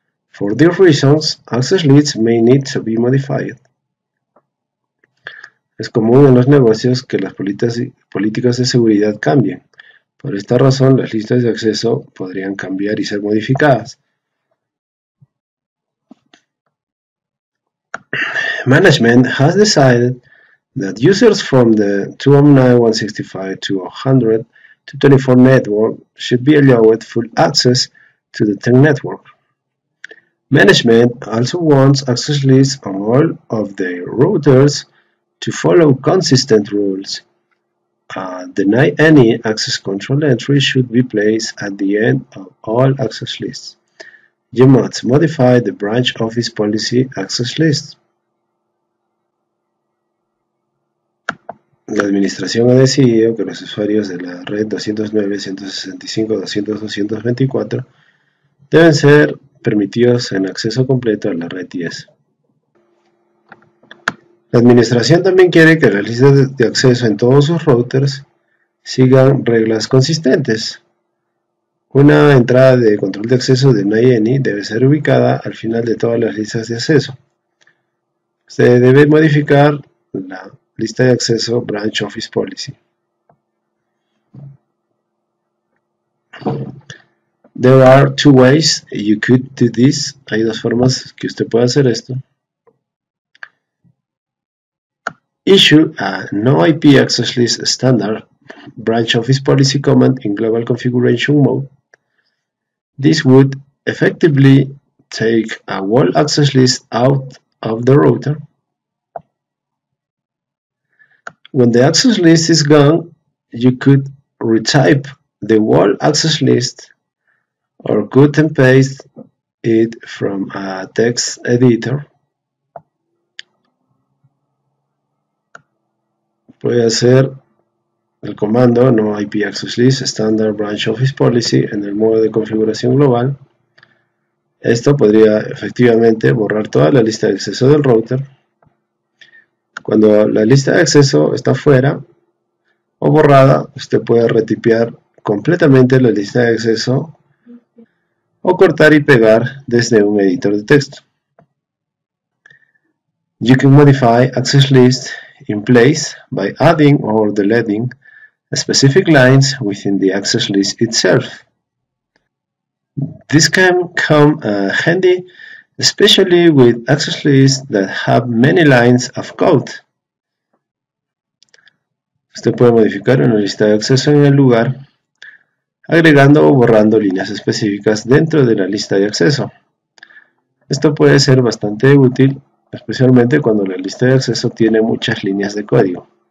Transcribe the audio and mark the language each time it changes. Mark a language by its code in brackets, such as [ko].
[en] For these reasons, access lists may need to be modified. [es] Es común en los negocios que las políticas de seguridad cambien. Por esta razón, las listas de acceso podrían cambiar y ser modificadas. [en] Management has decided that users from the 209.165.200.224 network should be allowed full access to the TEN network. Management also wants access lists on all of the routers to follow consistent rules. Deny any access control entry should be placed at the end of all access lists. You must modify the branch office policy access list. [es] La administración ha decidido que los usuarios de la red 209.165.200.224 deben ser permitidos en acceso completo a la red 10. La administración también quiere que las listas de acceso en todos sus routers sigan reglas consistentes. Una entrada de control de acceso de Deny Any debe ser ubicada al final de todas las listas de acceso. Se debe modificar la lista de acceso Branch Office Policy. [en] There are two ways you could do this. [es] Hay dos formas que usted puede hacer esto. [en] Issue a No IP Access List Standard Branch Office Policy command in Global Configuration Mode. This would effectively take a whole access list out of the router. When the access list is gone, you could retype the whole access list or cut and paste it from a text editor. [es] Puede hacer el comando No IP Access List Standard Branch Office Policy en el modo de configuración global. Esto podría efectivamente borrar toda la lista de acceso del router. Cuando la lista de acceso está fuera o borrada, usted puede retipear completamente la lista de acceso o cortar y pegar desde un editor de texto. [en] You can modify access list in place by adding or deleting specific lines within the access list itself. This can come handy, especially with access lists that have many lines of code. [es] Usted puede modificar una lista de acceso en el lugar agregando o borrando líneas específicas dentro de la lista de acceso. Esto puede ser bastante útil, especialmente cuando la lista de acceso tiene muchas líneas de código.